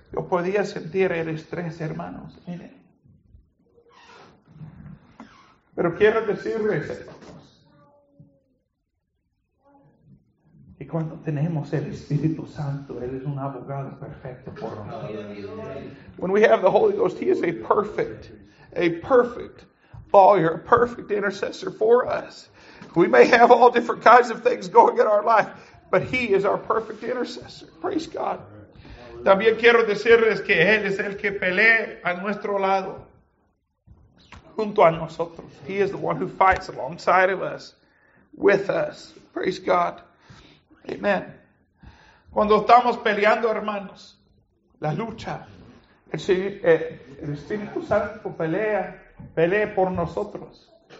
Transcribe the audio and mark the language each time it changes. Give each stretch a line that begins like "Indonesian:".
Spanish: Yo podía sentir el estrés, hermanos, en él. Pero quiero decirles, hermanos, que cuando tenemos el Espíritu Santo, él es un abogado perfecto por nosotros.
English: When we have the Holy Ghost, he is a perfect lawyer, a perfect intercessor for us. We may have all different kinds of things going in our life, but he is our perfect intercessor. Praise God.
Spanish: También quiero decirles que él es el que pelea a nuestro lado, junto a nosotros.
English: He is the one who fights alongside of us, with us. Praise God. Amen.
Spanish: Cuando estamos peleando, hermanos, la lucha, el Espíritu Santo pelea por nosotros.